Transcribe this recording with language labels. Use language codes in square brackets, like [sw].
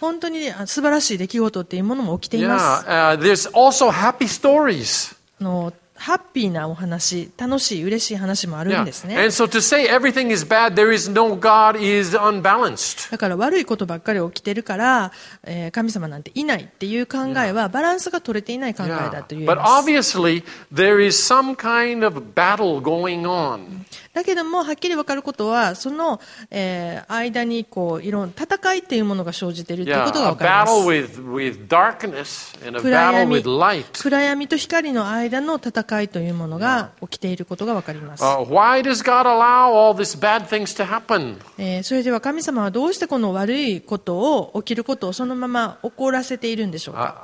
[ja] 本当に素晴らしい出来事っていうものも起きています。 [en] Yeah, there's also happy stories. [ja] ハッピーなお話、楽しい、嬉しい話もあるんですね。 [en] Yeah. And so to say everything is bad, there is no God is unbalanced. [ja] だから悪いことばっかり起きてるから、神様なんていないっていう考えはバランスが取れていない考えだと言います。 [en] Yeah. But obviously, there is some kind of battle going on. [ja] だけども、はっきり分かることは、その、間にこういろんな戦いっていうものが生じているっていうことが分かります。 [en] Yeah. A battle with darkness and a battle with light. [ja] 暗闇と光の間の戦い。戦いというものが起きていることが分かります。 [en] Why does God allow all these bad things to happen? [ja] それでは神様はどうしてこの悪いことを起きることをそのまま起こらせているんでしょうか。